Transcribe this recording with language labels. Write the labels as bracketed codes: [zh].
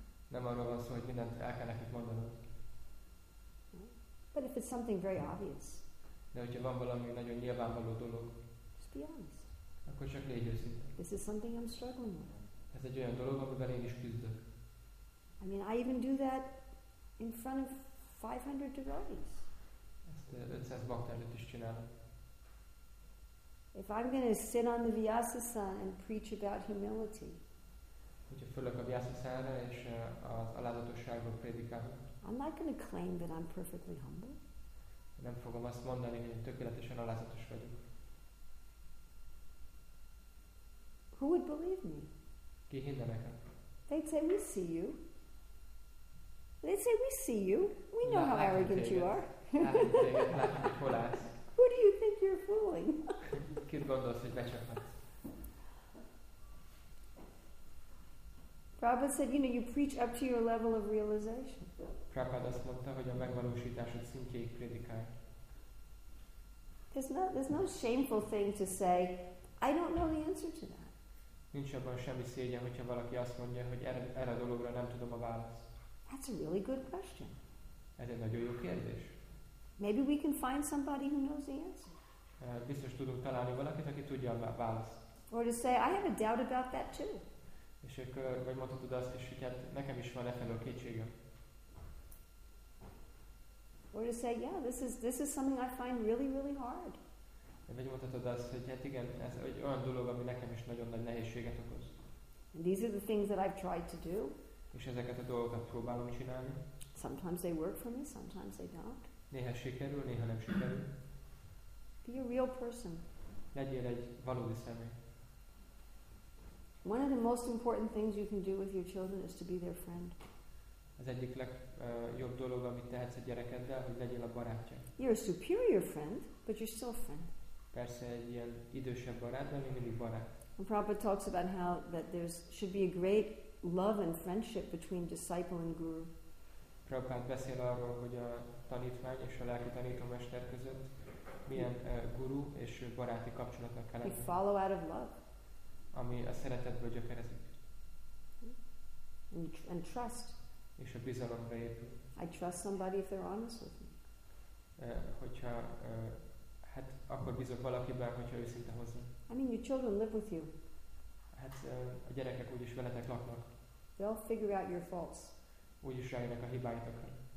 [hu] Nem arról van szó, hogy mindent el kell nekik mondanod. [en] But if it's something very obvious. [hu] De hogyha van valami nagyon nyilvánvaló dolog. [en] Just be honest. [hu] Akkor csak légy őszinte. [en] This is something I'm struggling with. [hu] Ez egy olyan dolog, amivel én is küzdök. [en] I mean, I even do that in front of 500 devotees. [hu] Ezt 500 bakta előtt is csinálom. [en] If I'm going to sit on the Vyasasana and preach about humility. [hu] Hogyha fölök a Vyasasana és az alázatosságról prédikálok. [en] I'm not going to claim that I'm perfectly humble. [hu] Nem fogom azt mondani, hogy tökéletesen alázatos vagyok. [en] Who would believe me? [hu] Ki hinne nekem? [en] They'd say, we see you. They'd say, we see you. We know how arrogant you are. Who do you think you're fooling? [hu] Kit gondolsz, hogy becsapadsz? [en] Prabhupada said, you know, you preach up to your level of realization. [hu] Prabhupada azt mondta, hogy a megvalósításod szintjéig prédikálj. [en] There's no shameful thing to say, I don't know the answer to that. [hu] Nincs abban semmi szégyen, hogyha valaki azt mondja, hogy erre a dologra nem tudom a választ. [en] That's a really good question. [hu] Ez egy nagyon jó kérdés. [en] Maybe we can find somebody who knows the answer. [hu] Biztos tudunk találni valakit, aki tudja a választ. [en] Or to say, I have a doubt about that too. [hu] És akkor, vagy mondhatod azt is, hogy hát nekem is van efelől kétségem. [en] Or to say, yeah, this is something I find really, really hard. [hu] Vagy mondhatod azt, hogy hát igen, ez egy olyan dolog, ami nekem is nagyon nagy nehézséget okoz. [en] And these are the things that I've tried to do. [hu] És ezeket a dolgokat próbálom csinálni. [en] Sometimes they work for me, sometimes they don't. [hu] Néha sikerül, néha nem sikerül. [en] Be a real person. [hu] Legyél egy valódi személy. [en] One of the most important things you can do with your children is to be their friend. [hu] Az egyik legjobb dolog, amit tehetsz a gyerekeddel, hogy legyél a barátja. [en] You're a superior friend, but you're still a friend. [hu] Persze egy ilyen idősebb barát, de még mindig barát. [en] And Prabhupada talks about how that there should be a great love and friendship between disciple and guru. [hu] Prabhupada beszél arról, hogy a tanítvány és a lelki tanítómester között milyen guru és baráti kapcsolatnak kell lenni. [en] We follow out of love. [hu] Ami a szeretetből gyökerezik. [en] And trust. [hu] És a bizalomra épül. [en] I trust somebody if they're honest with me. [hu] Hogyha hát akkor bízok valakiben, hogyha őszinte hozzá. [en] I mean, your children live with you. [hu] Hát a gyerekek úgyis veletek laknak. [en] They'll figure out your faults. [hu] Úgyis rájönnek a hibáitokra.